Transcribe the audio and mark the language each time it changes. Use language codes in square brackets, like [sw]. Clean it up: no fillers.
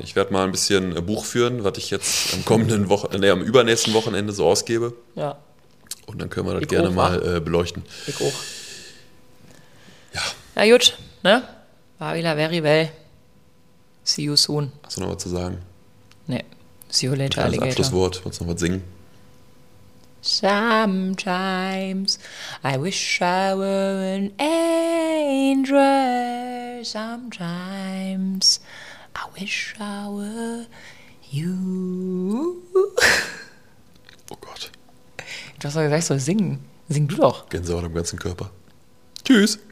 [de] Ich werde mal ein bisschen Buch führen, was ich jetzt am übernächsten Wochenende so ausgebe. Ja. Und dann können wir das gerne mal beleuchten. Ich auch. Ja. Ja, gut. Ne? [en] Wavila, very well. See you soon. [de] Hast du noch was zu sagen? Ne. [en] See you later, Alligator. [de] Abschlusswort. Wolltest du noch was singen? [en] Sometimes I wish I were an angel. Sometimes I wish I were you. [de] Oh Gott. Du hast doch gesagt, ich soll singen. Sing du doch. Gänsehaut im ganzen Körper. Tschüss.